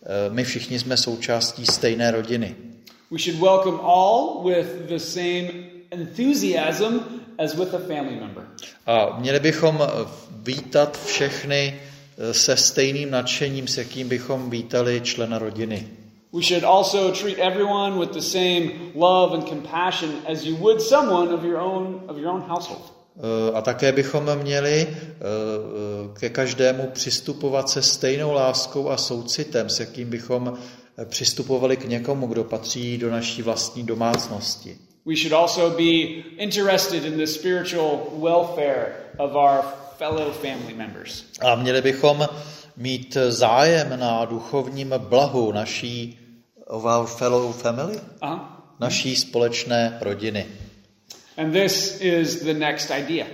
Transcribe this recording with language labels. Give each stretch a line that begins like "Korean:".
Czech: My všichni jsme součástí stejné rodiny.
English: We should welcome all with the same enthusiasm as with a family member.
Czech: A měli bychom vítat všechny se stejným nadšením, s jakým bychom vítali člena rodiny.
English: We should also treat everyone with the same love and compassion as you would someone of your own household.
Czech: A také bychom měli ke každému přistupovat se stejnou láskou a soucitem, s jakým bychom přistupovali k někomu, kdo patří do naší vlastní domácnosti.
English: We should also be interested in the spiritual welfare of our fellow family members.
Czech: A měli bychom mít zájem na duchovním blahu naší
English: fellow family,
Czech: naší společné rodiny.
English: And this is the next idea.